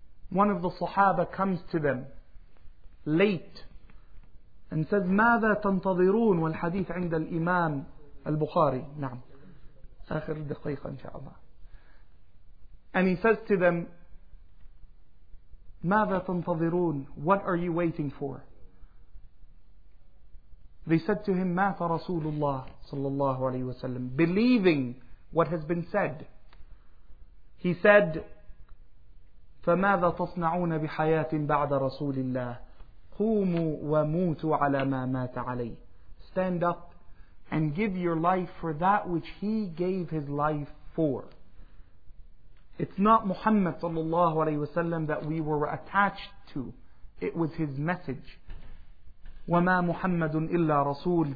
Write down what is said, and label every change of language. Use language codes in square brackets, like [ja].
[en] One of the Sahaba comes to them late and says, [ar] مَاذَا تَنْتَظِرُونَ. وَالْحَدِيثُ عِنْدَ الْإِمَامِ الْبُخَارِي. نعم. آخر دقيقة إن شاء الله. [en] And he says to them, [ar] مَاذَا تَنْتَظِرُونَ. [en] What are you waiting for? They said to him, [ar] مَاثَ رَسُولُ اللَّهِ صَلَّى اللَّهُ عَلَيْهِ وَسَلَّمُ. [en] Believing what has been said, he said, [ar] فَمَاذَا تَصْنَعُونَ بِحَيَاةٍ بَعْدَ رَسُولِ اللَّهِ قُومُوا وَمُوتُوا عَلَى مَا مَاتَ عَلَيْهِ. [en] Stand up and give your life for that which he gave his life for. It's not Muhammad [ar] صلى الله عليه وسلم [en] that we were attached to. It was his message. [ar] وَمَا مُحَمَّدٌ إِلَّا رَسُولٌ.